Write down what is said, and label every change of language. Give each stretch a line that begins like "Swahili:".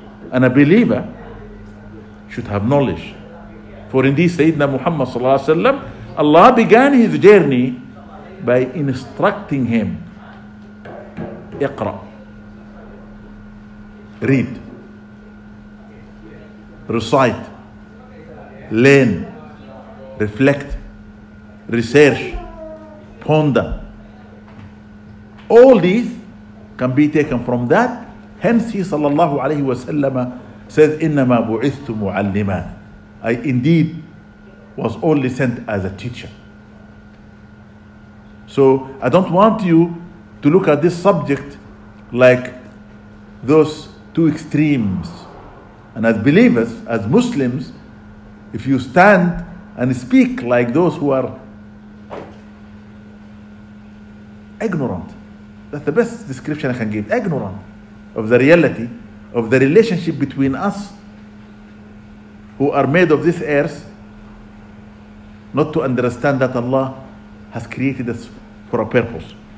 English: And a believer should have knowledge. For indeed, Sayyidina Muhammad sallallahu alayhi wa sallam, Allah began his journey by instructing him, Iqra, read, recite, learn, reflect, research, ponder. All these can be taken from that. Hence he sallallahu alayhi wa sallam says,
Arabic: إِنَّمَا بُعِثْتُ مُعَلِّمًا.
English: I indeed was only sent as a teacher. So I don't want you to look at this subject like those two extremes. And as believers, as Muslims, if you stand and speak like those who are ignorant, that's the best description I can give, ignorant of the reality, of the relationship between us who are made of this earth, not to understand that Allah has created us for a purpose.